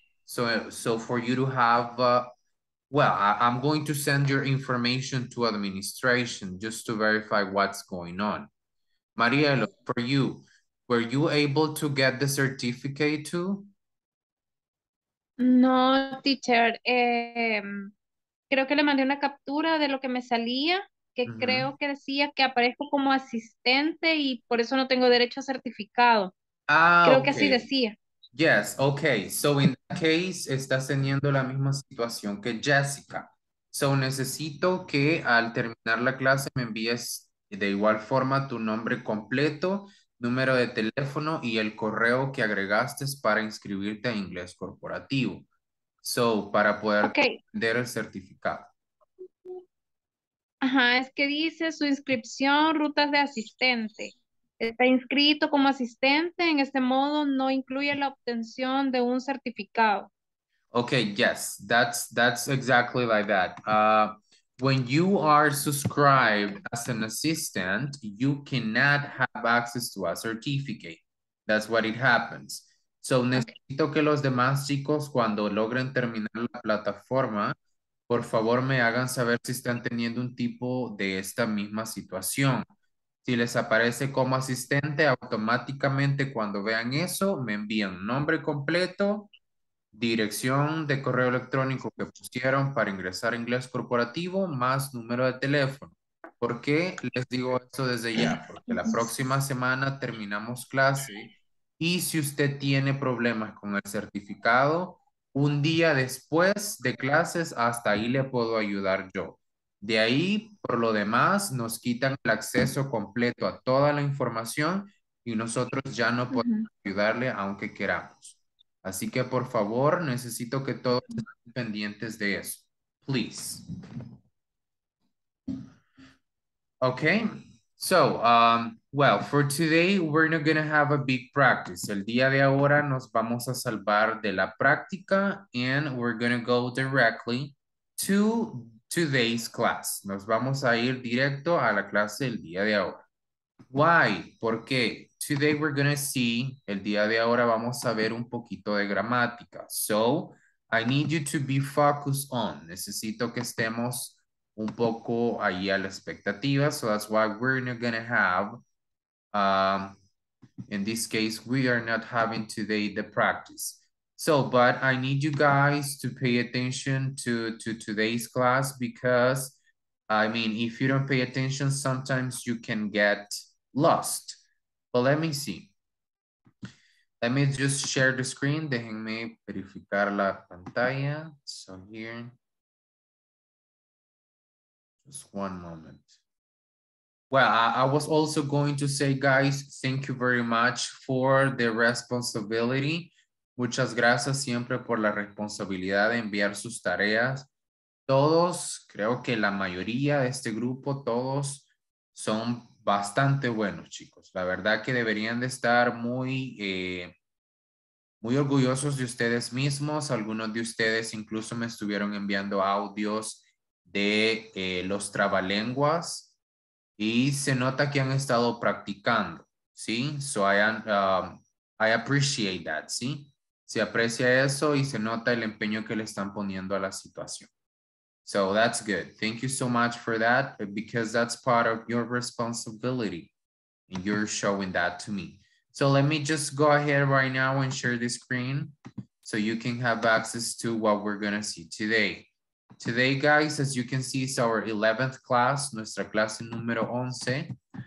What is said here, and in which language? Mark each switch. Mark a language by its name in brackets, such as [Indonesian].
[English] So for you to have, I'm going to send your information to administration just to verify what's going on. Marielo, for you, were you able to get the certificate too? No, teacher. [Spanish] Creo que le mandé una captura de lo que me salía, que mm-hmm. creo que decía que aparezco como asistente y por eso no tengo derecho a certificado. Ah, creo okay. que así decía. [English] Yes, okay. So in that case, [Spanish] estás teniendo la misma situación que Jessica. So necesito que al terminar la clase me envíes de igual forma tu nombre completo, número de teléfono y el correo que agregaste para inscribirte a inglés corporativo. So, para poder tener el certificado. Ajá, es que dice su inscripción, rutas de asistente. Está inscrito como asistente, en este modo no incluye la obtención de un certificado. [English] Okay, yes, that's exactly like that. When you are subscribed as an assistant, you cannot have access to a certificate. That's what it happens. [Spanish] So necesito que los demás chicos, cuando logren terminar la plataforma, por favor me hagan saber si están teniendo un tipo de esta misma situación. Si les aparece como asistente, automáticamente cuando vean eso, me envían nombre completo, dirección de correo electrónico que pusieron para ingresar a inglés corporativo, más número de teléfono. ¿Por qué les digo esto desde ya? Porque la próxima semana terminamos clase y si usted tiene problemas con el certificado, un día después de clases, hasta ahí le puedo ayudar yo. De ahí, por lo demás, nos quitan el acceso completo a toda la información y nosotros ya no podemos ayudarle aunque queramos. Así que, por favor, necesito que todos estén pendientes de eso. [English] Please. Okay. So, for today, we're not going to have a big practice. [Spanish] El día de ahora nos vamos a salvar de la práctica [English] and we're going to go directly to today's class. [Spanish] Nos vamos a ir directo a la clase el día de ahora. [English] Why? [Spanish] Porque [English] today we're going to see, [Spanish] el día de ahora vamos a ver un poquito de gramática. [English] So, I need you to be focused on. [Spanish] Necesito que estemos un poco ahí a la expectativa. [English] So, that's why we're not going to have, in this case, we are not having today the practice. So, but I need you guys to pay attention to today's class because, I mean, if you don't pay attention, sometimes you can get lost. Well, let me see. Let me just share the screen. [Spanish] Déjenme verificar la pantalla. [English] So here. Just one moment. Well, I was also going to say, guys, thank you very much for the responsibility. [Spanish] Muchas gracias siempre por la responsabilidad de enviar sus tareas. Todos, creo que la mayoría de este grupo, todos son bastante buenos, chicos. La verdad que deberían de estar muy, muy orgullosos de ustedes mismos. Algunos de ustedes incluso me estuvieron enviando audios de los trabalenguas y se nota que han estado practicando, ¿sí? [English] So I appreciate that, ¿sí? [Spanish] Se aprecia eso y se nota el empeño que le están poniendo a la situación. [English] So that's good. Thank you so much for that because that's part of your responsibility and you're showing that to me. So let me just go ahead right now and share the screen so you can have access to what we're going to see today. Today, guys, as you can see, it's our 11th class, [Spanish] nuestra clase número 11.